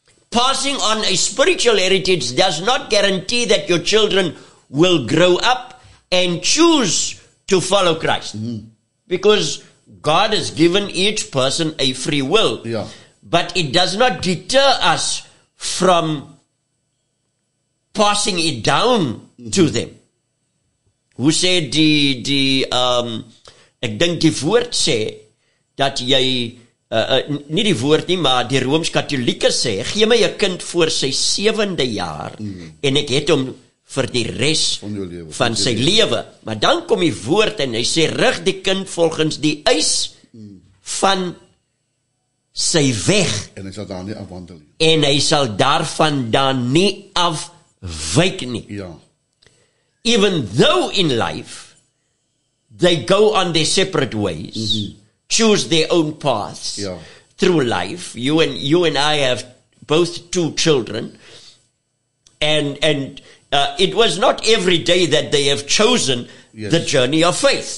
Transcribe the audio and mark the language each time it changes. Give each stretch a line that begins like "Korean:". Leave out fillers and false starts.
English: Passing on a spiritual heritage does not guarantee that your children will grow up and choose to follow Christ. Mm-hmm. Because God has given each person a free will. Yeah. But it does not deter us from passing it down to them. Who said
Afrikaans: ek dink die woord sê dat jy nie die woord nie, maar die Rooms-Katolieke sê, gee my 'n kind voor sy 7de jaar en ek het hom vir die res van sy lewe. Maar dan kom die woord en hy sê, rig die kind volgens die eis van sy weg. En hy sal daar nie afwandel. En hy sal daarvan dan nie afwyk nie. Ja.
English: Even though in life they go on their separate ways, choose their own paths through life. You and I have both two children, and it was not every day that they have chosen the journey of faith.